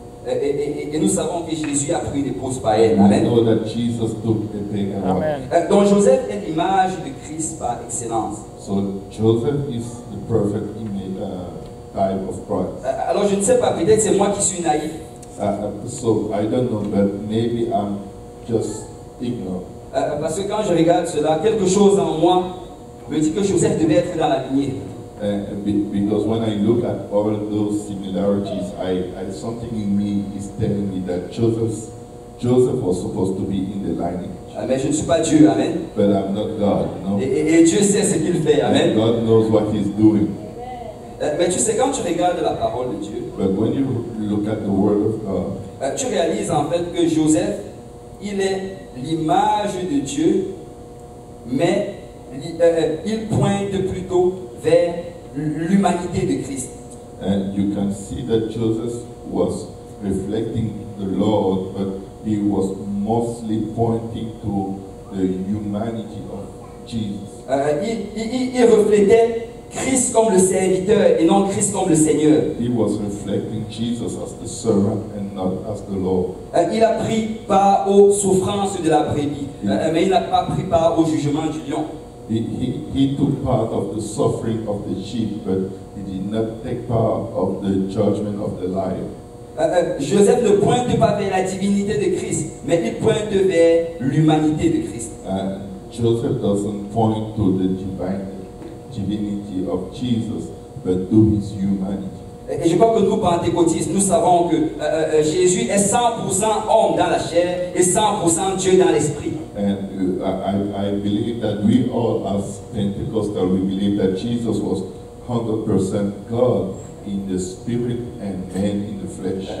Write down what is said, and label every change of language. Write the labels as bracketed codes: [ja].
[fr] Et nous savons que Jésus a pris l'épouse païenne. Amen. [en] We know that Jesus took a pagan wife. Amen. [fr] Donc Joseph est l'image de Christ par excellence. [en] So Joseph is the perfect image, type of Christ. [fr] Alors je ne sais pas, peut-être c'est moi qui suis naïf. [en] So I don't know, but maybe I'm just ignorant. [fr] Parce que quand je regarde cela, quelque chose en moi me dit que Joseph devait être dans la lignée. [en] Because when I look at all those similarities, I something in me is telling me that Joseph was supposed to be in the lineage. [fr] Mais je ne suis pas Dieu, amen. [en] But I'm not God, no. [fr] Et Dieu sait ce qu'il fait, amen. [en] And God knows what he's doing. [fr] Mais tu sais, quand tu regardes la parole de Dieu, [en] but when you look at the word of God, [fr] tu réalises en fait que Joseph, il est l'image de Dieu, mais il pointe plutôt vers l'humanité de Christ. [en] And you can see that Joseph was reflecting the Lord, but he was mostly pointing to the humanity of Jesus. [fr] Il reflétait Christ comme le serviteur et non Christ comme le Seigneur. [en] He was reflecting Jesus as the servant and not as the Lord. [fr] Il a pris part aux souffrances de la brebis, mais il n'a pas pris part au jugement du lion. [en] He took part of the suffering of the sheep, but he did not take part of the judgment of the lion. [fr] Joseph ne pointe pas vers la divinité de Christ, mais il pointe vers l'humanité de Christ. [en] Joseph doesn't point to the divinity of Jesus, but to his humanity. [fr] Et je crois que nous, pentecôtistes, nous savons que Jésus est 100% homme dans la chair et 100% Dieu dans l'esprit. [en] And I believe that we all, as Pentecostal, we believe that Jesus was 100% God in the spirit and man in the flesh.